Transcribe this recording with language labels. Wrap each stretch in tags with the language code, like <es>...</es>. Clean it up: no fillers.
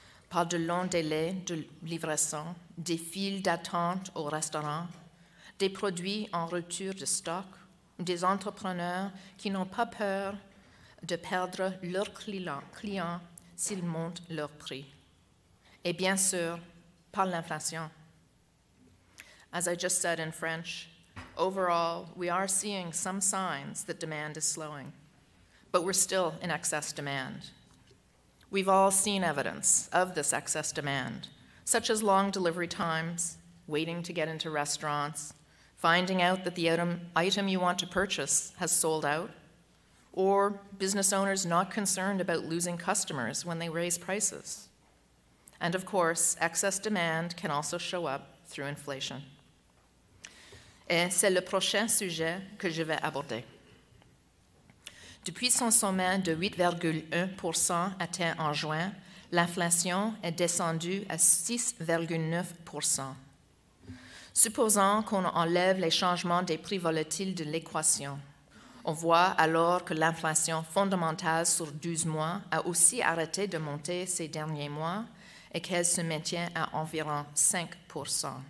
<fr>Par de longs délais de livraison, des files d'attente au restaurant, des produits en rupture de stock, des entrepreneurs qui n'ont pas peur de perdre leurs clients s'ils montent leur prix. Et bien sûr, par l'inflation.</fr> <en>As I just said in French, overall, we are seeing some signs that demand is slowing, but we're still in excess demand. We've all seen evidence of this excess demand, such as long delivery times, waiting to get into restaurants, finding out that the item you want to purchase has sold out, or business owners not concerned about losing customers when they raise prices. And of course, excess demand can also show up through inflation.</en> <fr>Et c'est le prochain sujet que je vais aborder. Depuis son sommet de 8,1% atteint en juin, l'inflation est descendue à 6,9%. Supposant qu'on enlève les changements des prix volatiles de l'équation, on voit alors que l'inflation fondamentale sur 12 mois a aussi arrêté de monter ces derniers mois et qu'elle se maintient à environ 5%.</fr>